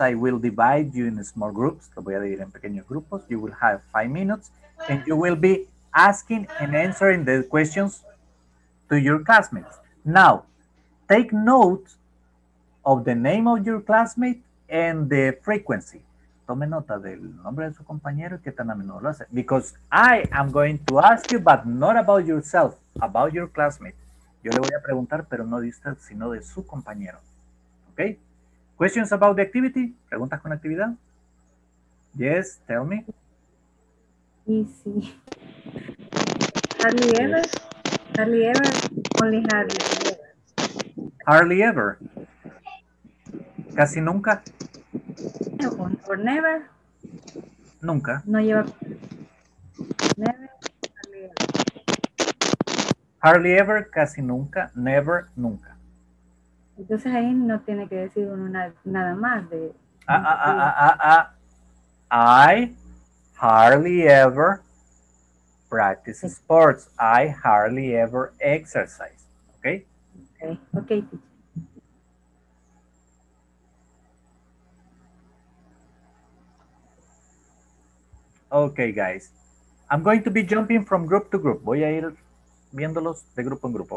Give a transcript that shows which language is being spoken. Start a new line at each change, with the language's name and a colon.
English: I will divide you in small groups.
Spanish: Lo voy a dividir en pequeños grupos.
English: You will have 5 minutes and you will be asking and answering the questions to your classmates. Now, take note of the name of your classmate and the frequency.
Spanish: Tome nota del nombre de su compañero y qué tan a menudo lo hace.
English: Because I am going to ask you, but not about yourself, about your classmate.
Spanish: Yo le voy a preguntar, pero no de usted, sino de su compañero.
English: Okay. Questions about the activity?
Spanish: ¿Preguntas con actividad?
English: Yes, tell me. Easy. Hardly ever. Yes. Hardly ever. Only hardly ever. Hardly ever.
Spanish: Casi nunca.
English: Or never.
Spanish: Nunca. No lleva.
English: Never. Hardly ever. Hardly ever.
Spanish: Casi nunca.
English: Never.
Spanish: Nunca. Entonces ahí no tiene que decir nada más de.
English: I hardly ever practice sports. I hardly ever exercise. Okay. Okay. Okay. Okay, guys. I'm going to be jumping from group to group.
Spanish: Voy a ir viéndolos de grupo en grupo.